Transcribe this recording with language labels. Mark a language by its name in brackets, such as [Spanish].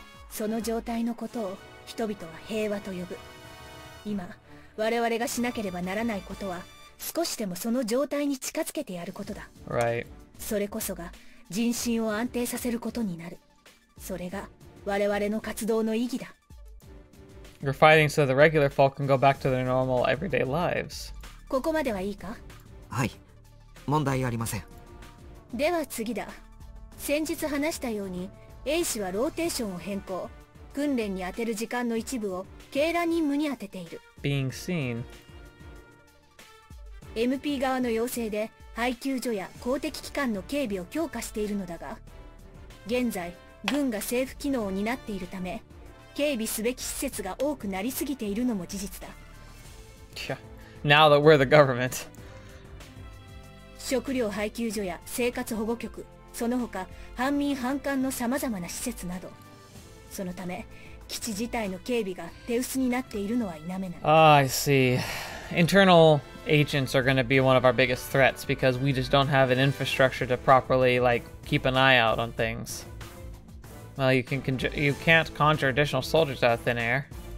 [Japanese] その状態のことを人々は平和と呼ぶ。今、我々がしなければならないことは少しでもその状態に近づけてやることだ。 [English] Right. [Japanese] それこそが人心を安定させることになる。それが我々の活動の意義だ。 [English] You're fighting so the regular folk can go back to their normal everyday lives. [Japanese] ここまではいいか? はい、問題ありません。では次だ。先日話したように、A 氏はローテーションを変更。訓練に当てる時間の一部を警ら任務に当てている。 [English] Being seen. [Japanese] MP 側の要請で配給所や公的機関の警備を強化しているのだが、現在、軍が政府機能を担っているため、警備すべき施設が多くなりすぎているのも事実だ。 [English] Now that we're the government. [Japanese] 食料配給所や生活保護局、その他、反民反感の様々な施設など。そのため、基地自体の警備が手薄になっているのは否めない。 [English] Ah, I see. internal agents are going to be one of our biggest threats because we just don't have an infrastructure to properly, like, keep an eye out on things. Well, you can you can't conjure additional soldiers out of thin air.